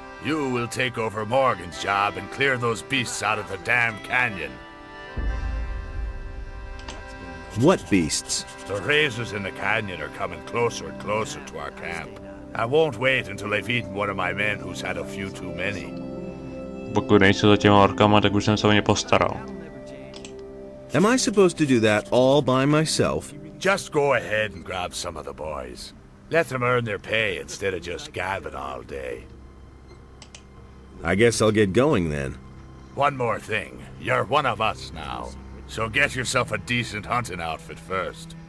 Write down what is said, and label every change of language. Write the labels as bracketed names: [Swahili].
[English] You will take over Morgan's job and clear those beasts out of the damn canyon. What beasts? The razors in the canyon are coming closer and closer to our camp. I won't wait until they've eaten one of my men who's had a few too many. [Czech] Pokud nejsou za těma orkama, tak už jsem se o ně postaral. [English] Am I supposed to do that all by myself? Just go ahead and grab some of the boys. Let them earn their pay instead of just gabbing all day. I guess I'll get going then. One more thing. You're one of us now. So get yourself a decent hunting outfit first.